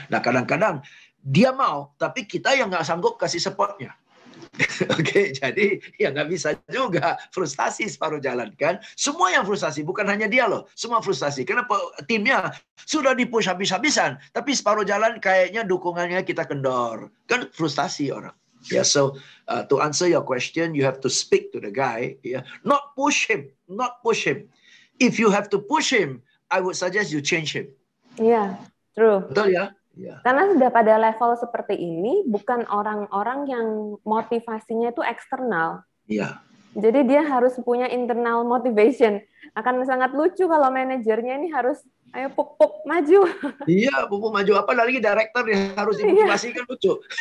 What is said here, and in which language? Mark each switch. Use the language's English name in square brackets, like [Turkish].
[Indonesian] Nah kadang-kadang dia mau, tapi kita yang nggak sanggup kasih supportnya. Okay, jadi ya nggak bisa juga, frustasi separuh jalan kan. Semua yang frustasi, bukan hanya dia loh, semua frustasi. Kenapa timnya sudah dipush habis-habisan, tapi separuh jalan kayaknya dukungannya kita kendor. Kan frustasi orang. [English] Yeah, so to answer your question, you have to speak to the guy. Yeah, not push him, not push him. If you have to push him, I would suggest you change him. Yeah, true. [Indonesian] Betul ya? Yeah. Karena sudah pada level seperti ini, bukan orang-orang yang motivasinya itu eksternal. [English] Yeah. [Indonesian] Jadi dia harus punya internal motivation. Akan sangat lucu kalau manajernya ini harus ayo puk-puk maju. Iya, puk-puk maju. Apalagi director dia harus dimotivasi kan lucu.